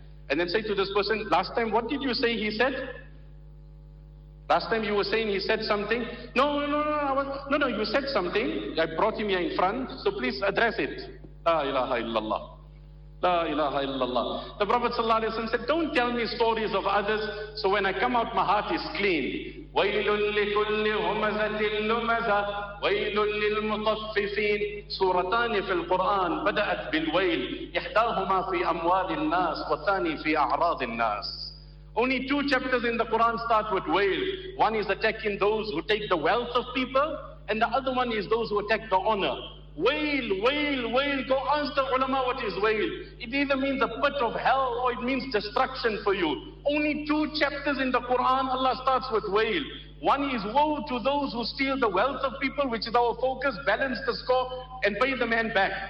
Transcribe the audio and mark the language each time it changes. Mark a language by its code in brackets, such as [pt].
[en] And then say to this person, last time, what did you say he said? Last time you were saying he said something. No, you said something. I brought him here in front. So please address it. [ar] La ilaha illallah. La ilaha illallah. [en] The Prophet ﷺ said, don't tell me stories of others. So when I come out, my heart is clean. [ar] ويل لكل همزة لمزة ويل للمطففين. سورتان في القرآن بدأت بالويل، إحداهما في أموال الناس والثاني في أعراض الناس. [en] Only two chapters in the Quran start with wail. One is attacking those who take the wealth of people, and the other one is those who attack the honor. Wail, wail, wail. Go ask the ulama what is wail. It either means a pit of hell or it means destruction for you. Only two chapters in the Quran, Allah starts with wail. One is woe to those who steal the wealth of people, which is our focus, balance the score and pay the man back.